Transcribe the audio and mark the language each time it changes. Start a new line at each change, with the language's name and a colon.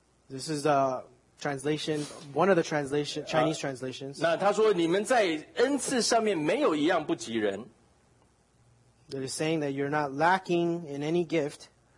English: This is a translation, one of the translation, Chinese translations.
Chinese: 那他说你们在恩赐上面没有一样不及人。
English: That is saying that you're not lacking in any gift.